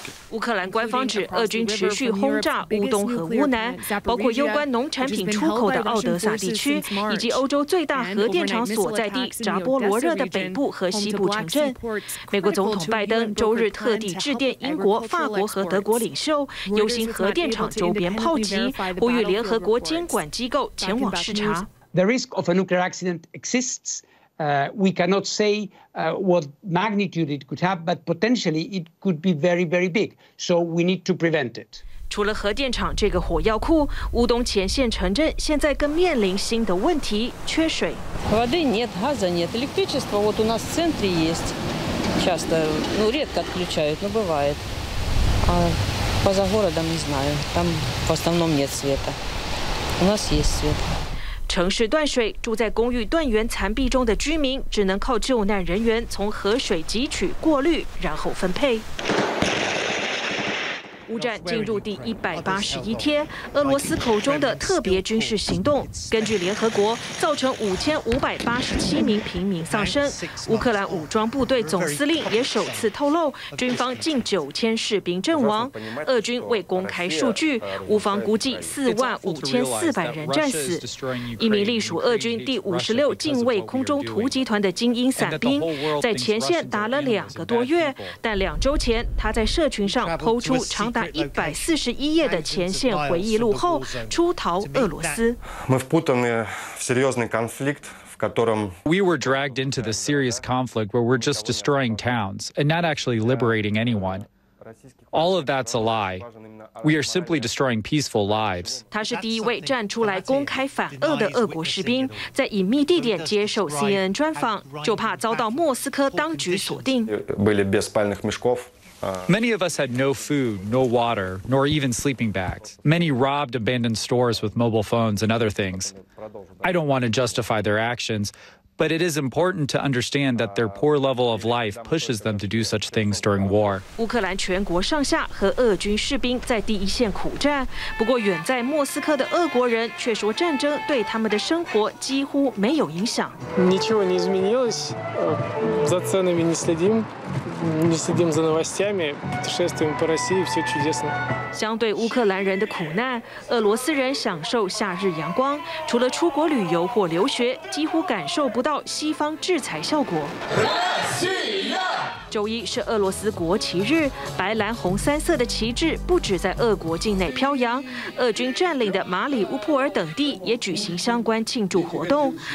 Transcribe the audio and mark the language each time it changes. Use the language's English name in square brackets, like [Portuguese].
[Chinese] 乌克兰官方指俄军持续轰炸乌东和乌南，包括攸关农产品出口的奥德萨地区，以及欧洲最大核电厂所在地扎波罗热的北部和西部城镇。美国总统拜登周日特地致电英国、法国和德国领袖，忧心核电厂周边炮击，呼吁联合国监管机构前往视察。 [English] The risk of a nuclear accident exists. We cannot say what magnitude it could have, but potentially it could be very, very big. So we need to prevent it. [Chinese] 除了核电厂这个火药库，乌东前线城镇现在更面临新的问题：缺水。 [Russian] Воды нет, газа нет, электричество вот у нас в центре есть, часто, ну редко отключают, но бывает. А по за городом не знаю, там в основном нет света. У нас есть свет. [Chinese] 城市断水，住在公寓断垣残壁中的居民只能靠救难人员从河水汲取、过滤，然后分配。乌战进入第181天，俄罗斯口中的特别军事行动，根据联合国，造成5587名平民丧生。乌克兰武装部队总司令也首次透露，军方近9000士兵阵亡。俄军未公开数据，乌方估计45400人战死。一名隶属俄军第56近卫空中突击团的精英伞兵，在前线打了2个多月，但2周前他在社群上PO出长。 141页的前线回忆录后，出逃俄罗斯。 [Russian] Мы впутаны в серьезный конфликт. [English] We were dragged into the serious conflict where we're just destroying towns and not actually liberating anyone. All of that's a lie. We are simply destroying peaceful lives. [Chinese] 他是第一位站出来公开反俄的俄国士兵，在隐秘地点接受 CNN 专访，就怕遭到莫斯科当局锁定。 [Russian] Были без спальных мешков. [English] Many of us had no food, no water, nor even sleeping bags. Many robbed abandoned stores with mobile phones and other things. I don't want to justify their actions, but it is important to understand that their poor level of life pushes them to do such things during war. [Chinese] 乌克兰全国上下和俄军士兵在第一线苦战，不过远在莫斯科的俄国人却说战争对他们的生活几乎没有影响。 [Russian] Ничего не изменилось, за ценами не следим. Мы следим за новостями, путешествуем по России, все чудесно. [Chinese] 相对乌克兰人的苦难，俄罗斯人享受夏日阳光，除了出国旅游或留学，几乎感受不到西方制裁效果。周一是俄罗斯国旗日，白蓝红三色的旗帜不止在俄国境内飘扬，俄军占领的马里乌波尔等地也举行相关庆祝活动。